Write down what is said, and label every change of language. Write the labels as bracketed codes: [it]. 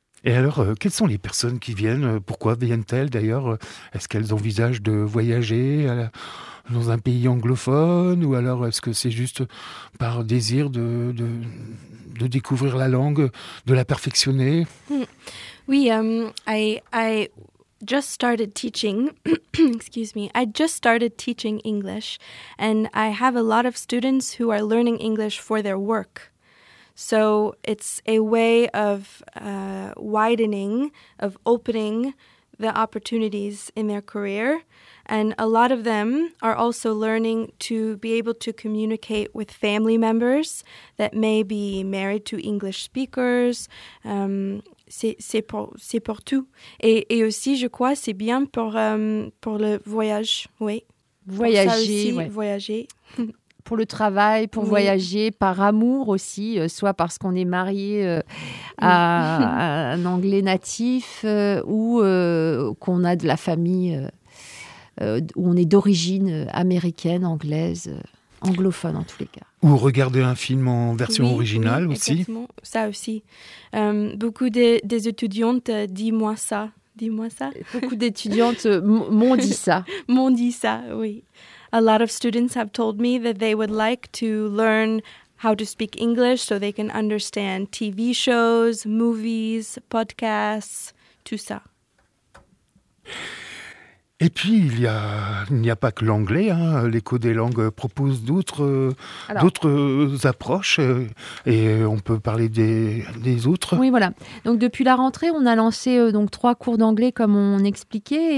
[fr] Et alors, quelles sont les personnes qui viennent? Pourquoi viennent-elles d'ailleurs? Est-ce qu'elles envisagent de voyager dans un pays anglophone? Ou alors, est-ce que c'est juste par désir de découvrir la langue, de la perfectionner? [en] Oui, I just started teaching, excuse me, I just started teaching English, and I have a lot of students who are learning English for their work. So it's a way of widening, of opening the opportunities in their career. And a lot of them are also learning to be able to communicate with family members that may be married to English speakers. [fr] C'est pour tout. Et aussi, je crois, c'est bien pour le voyage, oui. Voyager, pour ça aussi, ouais. Voyager. Pour le travail, pour voyager, par amour aussi, soit parce qu'on est marié à un Anglais natif ou qu'on a de la famille, où on est d'origine américaine, anglaise, anglophone en tous les cas. Ou regarder un film en version originale aussi. Exactement, ça aussi. Beaucoup des étudiantes disent « moi ça ». Dis-moi ça. Beaucoup d'étudiantes m'ont dit ça. M'ont dit ça, oui. [en] A lot of students have told me that they would like to learn how to speak English so they can understand TV shows, movies, podcasts, [fr] tout ça. Et puis, il n'y a pas que l'anglais. Hein. L'écho des langues propose d'autres approches. Et on peut parler des autres. Oui, voilà. Donc, depuis la rentrée, on a lancé donc, 3 cours d'anglais, comme on expliquait.